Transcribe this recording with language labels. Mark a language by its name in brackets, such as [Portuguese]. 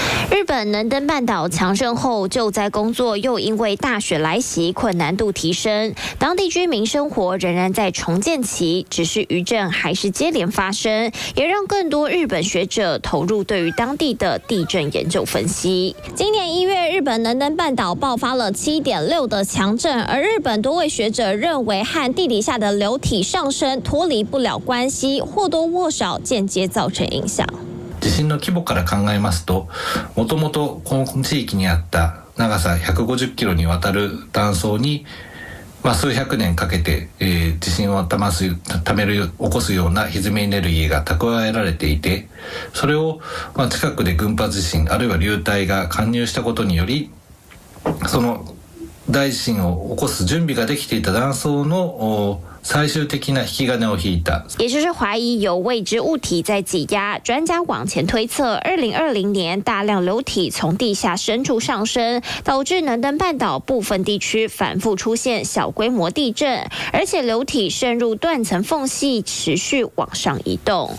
[Chinese] 日本能登半岛强震后，救灾工作又因为大雪来袭困难度提升，当地居民生活仍然在重建期，只是余震还是接连发生，也让更多日本学者投入对于当地的地震研究分析。今年一月，日本能登半岛爆发了 7.6 的强震，而日本多位学者认为和地底下的流体上升脱离不了关系，或多或少间接造成影响。 [Japanese] 地震の規模から考えますと、もともとこの地域にあった長さ150キロにわたる断層に、まあ、数百年かけて、地震を起こすような歪みエネルギーが蓄えられていて、それを、まあ、近くで群発地震あるいは流体が貫入したことにより、その大地震を起こす準備ができていた断層の最終的な引き金を引いた， [Chinese] 也就是怀疑有未知物体在挤压。专家往前推测，2020年大量流体从地下深处上升，导致能登半岛部分地区反复出现小规模地震，而且流体渗入断层缝隙，持续往上移动。